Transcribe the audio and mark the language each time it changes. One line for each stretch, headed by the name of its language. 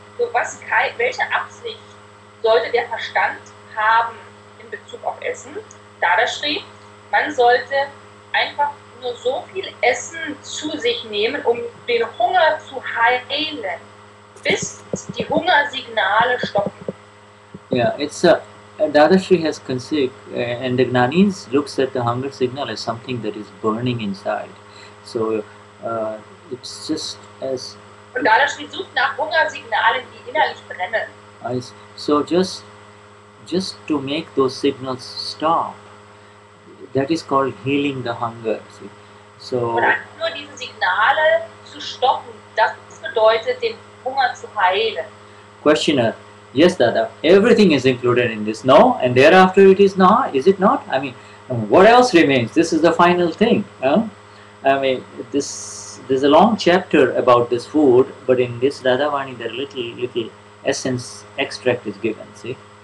German: So, welche Absicht sollte der Verstand haben in Bezug auf Essen? Dadashri, man sollte einfach nur so viel Essen zu sich nehmen, um den Hunger zu heilen, bis die Hungersignale stoppen.
English: Ja, yeah, Dadashri has conceived, and the Gnanis looks at the hunger signal as something that is burning inside. So, it's just as...
German: Und Dadashri sucht nach Hungersignalen, die innerlich brennen.
English: So, just to make those signals stop, that is called healing the hunger. See? So,
German: und nur diese Signale zu stoppen, das bedeutet, den Hunger zu heilen.
English: Questioner. Yes, Dada, everything is included in this, no? And thereafter it is not, is it not? I mean, what else remains? This is the final thing. I mean, there's a long chapter about this food, but in this Dadavani, there are little essence extract is given, see?